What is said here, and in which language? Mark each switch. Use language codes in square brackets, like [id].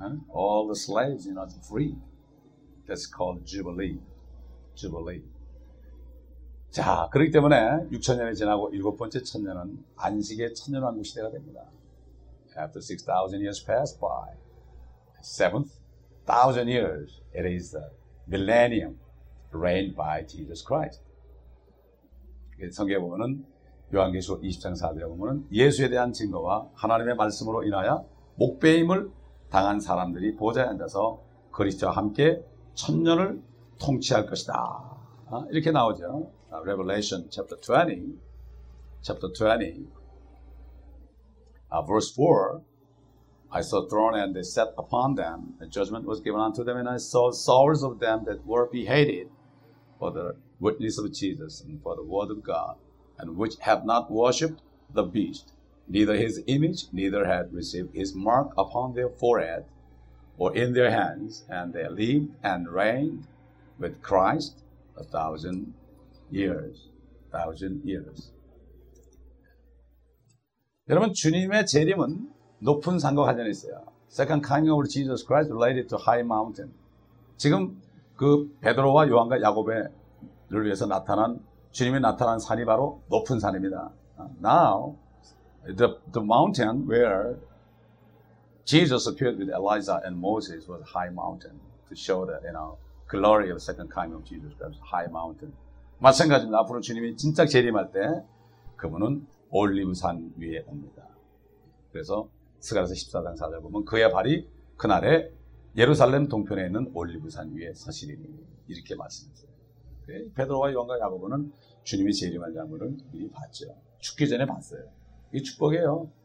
[en] All the slaves, you know, free. That's called Jubilee. Jubilee. [ko] 자, 그렇기 때문에 6,000년이 지나고 일곱 번째 천년은 안식의 천년왕국 시대가 됩니다. [en] After 6,000 years passed by, 7,000 years, it is the Millennium reigned by Jesus Christ. [ko] 성경에 보면은 요한계시록 20장 4절에 보면은 예수에 대한 증거와 하나님의 말씀으로 인하여 목베임을 당한 사람들이 보좌에 앉아서 그리스도와 함께 천년을 통치할 것이다. 이렇게 나오죠. [en] Revelation chapter 20, verse 4. I saw a throne and they sat upon them. A judgment was given unto them, and I saw souls of them that were beheaded for the witness of Jesus and for the word of God, and which have not worshipped the beast, neither his image, neither had received his mark upon their forehead or in their hands, and they lived and reigned with Christ 1,000 years. 1,000 years. [ko] 여러분, 주님의 재림은 높은 산과 관련이 있어요. [en] Second coming of Jesus Christ related to high mountain. [ko] 지금 그 베드로와 요한과 야고보를 위해서 나타난 주님이 나타난 산이 바로 높은 산입니다. [en] Now the mountain where Jesus appeared with Elijah and Moses was high mountain to show that you know glory of second coming of Jesus Christ high mountain. [ko] 마찬가지입니다. 앞으로 주님이 진짜 재림할 때 그분은 올림산 위에 옵니다. 그래서 스가랴서 14장 4절 보면 그의 발이 그날에 예루살렘 동편에 있는 올리브산 위에 서시리니 이렇게 말씀했어요. 베드로와 요한과 야고보는 주님이 재림할 장면을 미리 봤죠. 죽기 전에 봤어요. 이게 축복이에요.